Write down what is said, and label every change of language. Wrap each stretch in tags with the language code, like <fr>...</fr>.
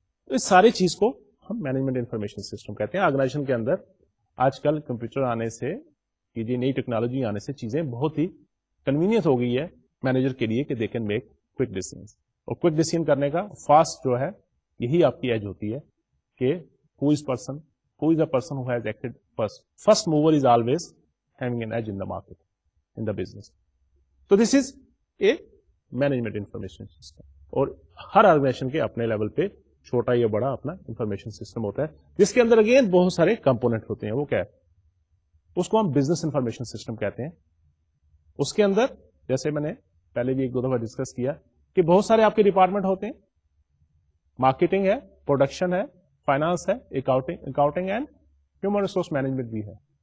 <ur>تو اس ساری چیز کو ہم مینجمنٹ انفارمیشن سسٹم کہتے ہیں. آرگنائزیشن کے اندر آج کل کمپیوٹر آنے سے, یہ جو نئی ٹیکنالوجی آنے سے, چیزیں بہت ہی کنوینئنٹ ہو گئی ہے مینیجر کے لیے کہ</ur> <en>They can make quick decision.</en> <ur>اور کوئک ڈیسیژ کرنے کا فاسٹ جو ہے, یہی آپ کی ایج ہوتی ہے کہ</ur> <en>who is a person who has acted first. First mover is always having an edge in the market, in the business. So this is a management information system.</en> <ur>اور ہر آرگنائزیشن کے اپنے لیول پہ چھوٹا یا بڑا اپنا انفارمیشن سسٹم ہوتا ہے, جس کے اندر اگین بہت سارے کمپونیٹ ہوتے ہیں. وہ کیا ہے, اس کو ہم بزنس انفارمیشن سسٹم کہتے ہیں. اس کے اندر جیسے میں نے پہلے بھی ایک دو دفعہ ڈسکس کیا کہ بہت سارے آپ کے ڈپارٹمنٹ ہوتے ہیں, مارکیٹنگ ہے, پروڈکشن ہے, فائنانس ہے, accounting and human resource management بھی ہے.</ur>